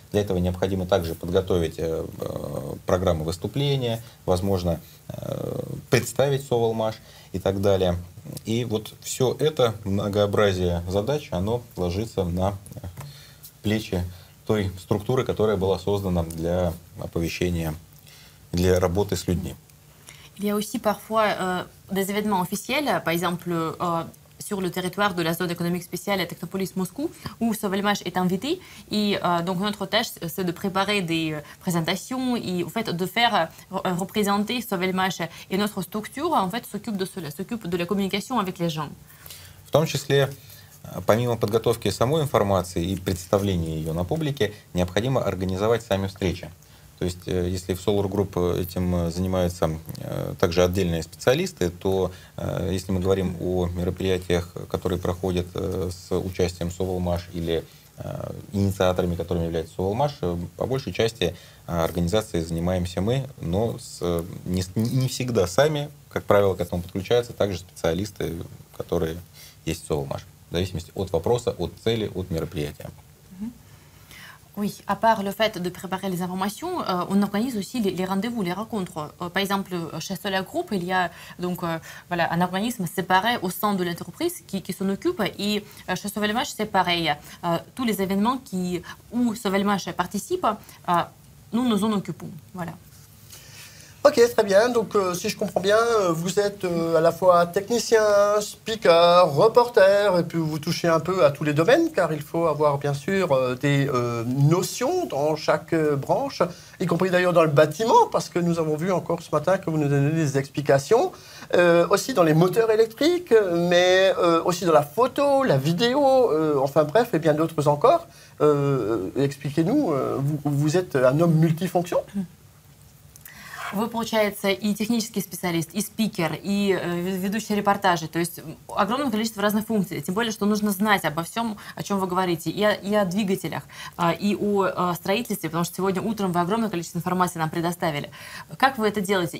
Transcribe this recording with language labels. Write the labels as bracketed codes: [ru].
[ru] Для этого необходимо также подготовить программу выступления, возможно, представить Sauvelmash и так далее. И вот все это многообразие задач, оно ложится на плечи той структуры, которая была создана для оповещения, для работы с людьми. [fr] Il y a aussi parfois des événements officiels, par exemple sur le territoire de la zone économique spéciale à Technopolis Moscou, où Sauvelmash est invité. Et donc notre tâche, c'est de préparer des présentations et en fait, de faire représenter Sauvelmash. Et notre structure en fait, s'occupe de cela, s'occupe de la communication avec les gens. [ru] В том числе, помимо подготовки самой информации и представления ее на публике, необходимо организовать сами встречи. То есть, если в Solar Group этим занимаются также отдельные специалисты, то если мы говорим о мероприятиях, которые проходят с участием Sauvelmash или инициаторами, которыми является Sauvelmash, по большей части организацией занимаемся мы, но не всегда сами, как правило, к этому подключаются также специалисты, которые есть в Sauvelmash, в зависимости от вопроса, от цели, от мероприятия. [fr] Oui, à part le fait de préparer les informations, on organise aussi les rendez-vous, les rencontres. Par exemple, chez Solar Group, il y a donc voilà, un organisme séparé au sein de l'entreprise qui s'en occupe. Et chez Sauver le Match, c'est pareil. Tous les événements où Sauver le Match participe, nous en occupons. Voilà. Ok, très bien. Donc, si je comprends bien, vous êtes à la fois technicien, speaker, reporter, et puis vous touchez un peu à tous les domaines, car il faut avoir bien sûr des notions dans chaque branche, y compris d'ailleurs dans le bâtiment, parce que nous avons vu encore ce matin que vous nous donnez des explications, aussi dans les moteurs électriques, mais aussi dans la photo, la vidéo, enfin bref, et bien d'autres encore. Expliquez-nous, vous êtes un homme multifonction? [ru] Вы, получается, и технический специалист, и спикер, и ведущий репортажи. То есть огромное количество разных функций. Тем более, что нужно знать обо всем, о чем вы говорите. И о двигателях, и о строительстве, потому что сегодня утром вы огромное количество информации нам предоставили. Как вы это делаете?